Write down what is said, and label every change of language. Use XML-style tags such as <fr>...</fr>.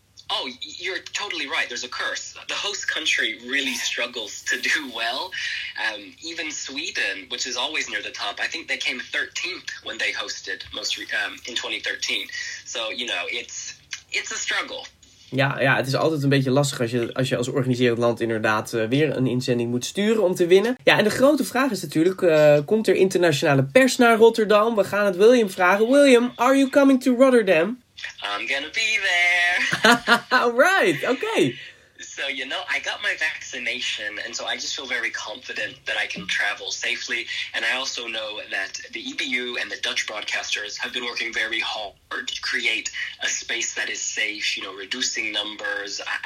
<en>Oh, you're totally right. There's a curse. The host country really struggles to do well. Even Sweden, which is always near the top, I think they came 13th when they hosted most in 2013. So, you know, it's a struggle.</en> <nl>Ja, ja, het is altijd een beetje lastig als je als organiserend land inderdaad weer een inzending moet sturen om te winnen. Ja, en de grote vraag is natuurlijk, komt er internationale pers naar Rotterdam? We gaan het William vragen.</nl> <en>William, are you coming to Rotterdam? I'm gonna be there. All right, okay. So, you know, I got my vaccination, and so I just feel very confident that I can travel safely. And I also know that the EBU and the Dutch broadcasters have been working very hard to create a space that is safe, you know, reducing numbers.</en>